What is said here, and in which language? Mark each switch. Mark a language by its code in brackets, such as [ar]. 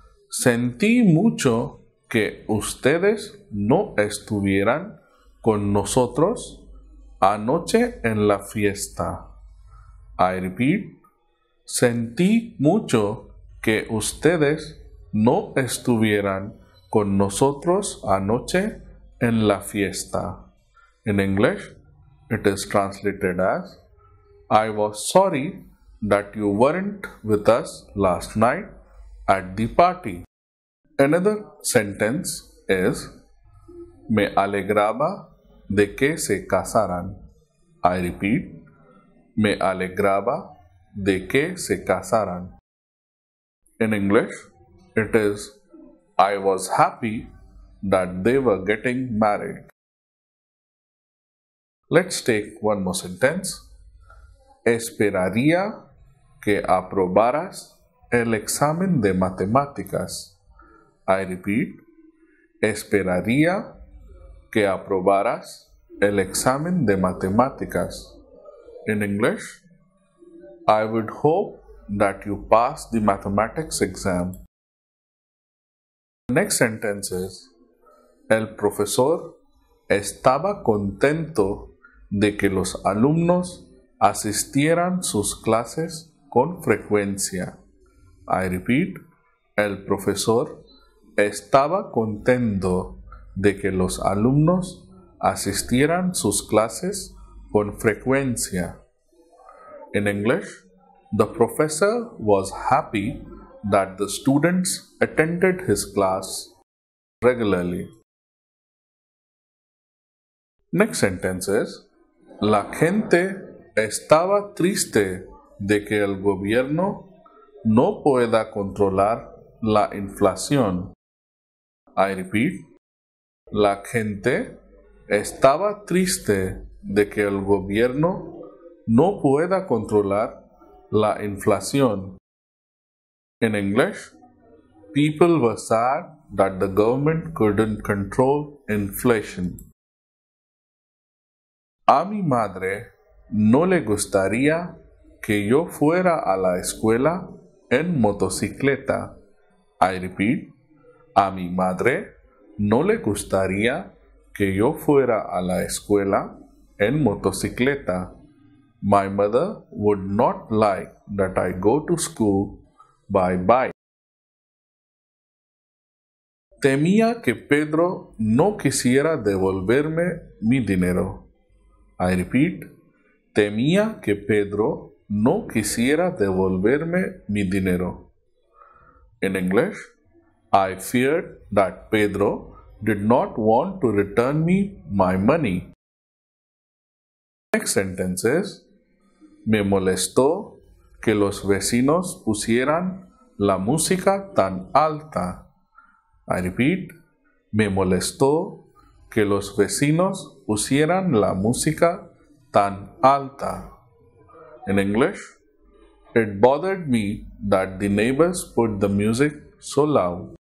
[es] Sentí mucho que ustedes no estuvieran con nosotros anoche en la fiesta. [en] I repeat, [es] sentí mucho que ustedes no estuvieran con nosotros anoche en la fiesta. [en] In English, it is translated as, I was sorry that you weren't with us last night at the party. Another sentence is, [es] Me alegraba de que se casaran. [en] I repeat, [es] Me alegraba de que se casaran. [en] In English, it is, I was happy that they were getting married. Let's take one more sentence. [es] Esperaría que aprobaras el examen de matemáticas. [en] I repeat, [es] esperaría que aprobaras el examen de matemáticas. [en] In English, I would hope that you pass the mathematics exam. The next sentence is, [es] el profesor estaba contento de que los alumnos asistieran sus clases con frecuencia. [en] I repeat, [es] el profesor estaba contento de que los alumnos asistieran sus clases con frecuencia. [en] In English, the professor was happy that the students attended his class regularly. Next sentence is, [es] la gente estaba triste de que el gobierno no pueda controlar la inflación. [en] I repeat, [es] la gente estaba triste de que el gobierno no pueda controlar la inflación. [en] In English, people were sad that the government couldn't control inflation. [es] A mi madre no le gustaría que yo fuera a la escuela en motocicleta. [en] I repeat, [es] a mi madre no le gustaría que yo fuera a la escuela en motocicleta. [en] My mother would not like that I go to school by bike. [es] Temía que Pedro no quisiera devolverme mi dinero. [en] I repeat, [es] temía que Pedro no quisiera devolverme mi dinero. [en] In English, I feared that Pedro did not want to return me my money. Next sentence is, [es] me molestó que los vecinos pusieran la música tan alta. [en] I repeat, [es] me molestó que los vecinos pusieran la música tan alta. [en] In English, it bothered me that the neighbors put the music so loud.